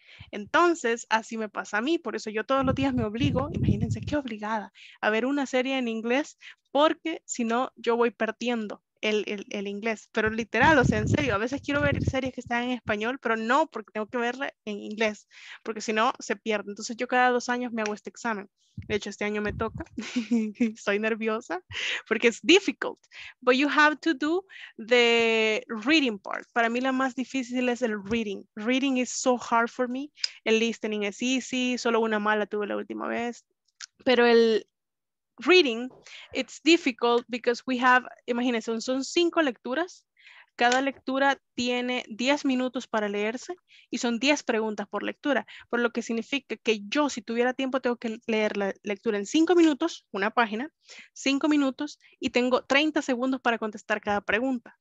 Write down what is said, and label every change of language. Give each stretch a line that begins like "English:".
Spanish: Entonces, así me pasa a mí, por eso yo todos los días me obligo, imagínense qué obligada, a ver una serie en inglés, porque si no, yo voy perdiendo el inglés. Pero literal, o sea, en serio, a veces quiero ver series que están en español, pero no, porque tengo que verla en inglés, porque si no, se pierde. Entonces, yo cada 2 años me hago este examen. De hecho, este año me toca, estoy nerviosa, porque es difficult.
English: But you have to do the reading part.
Spanish: Para mí la más difícil es el reading.
English: Reading is so hard for me.
Spanish: El listening es easy, solo una mala tuve la última vez. Pero el reading,
English: it's difficult because we have,
Spanish: imagínense, son 5 lecturas. Cada lectura tiene 10 minutos para leerse y son 10 preguntas por lectura, por lo que significa que yo, si tuviera tiempo, tengo que leer la lectura en 5 minutos, una página, 5 minutos, y tengo 30 segundos para contestar cada pregunta.